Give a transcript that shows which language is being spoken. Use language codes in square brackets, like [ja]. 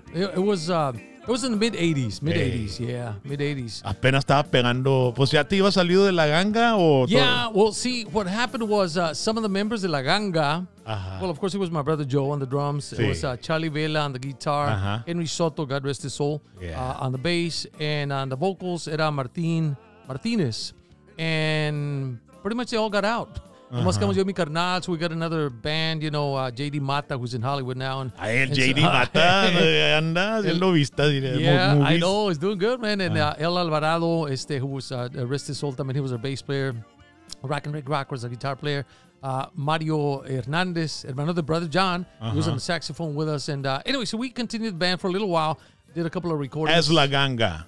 [en] It was in the mid-80s, mid-80s, hey. Yeah, mid-80s. [es] Apenas estaba pegando, pues ya te iba a salir de la ganga o... [en] Yeah, todo? Well, see, what happened was some of the members de la ganga, uh-huh. Well, of course, it was my brother Joe on the drums, sí. It was Charlie Vela on the guitar, uh-huh. Henry Soto, God rest his soul, yeah. On the bass, and on the vocals, era Martinez, and pretty much they all got out. Uh-huh. [es] Yo, mi carnal, [en] so we got another band, you know, JD Mata, who's in Hollywood now. [es] Ay, el JD Mata, anda, él lo vista. [en] Yeah, I know, he's doing good, man. And El Alvarado, who was rest his soul, I mean, he was our bass player. Rock and Rick Rock was a guitar player. Mario Hernandez, another brother, John, uh-huh. He was on the saxophone with us. And anyway, so we continued the band for a little while, did a couple of recordings. [es] Es La Ganga.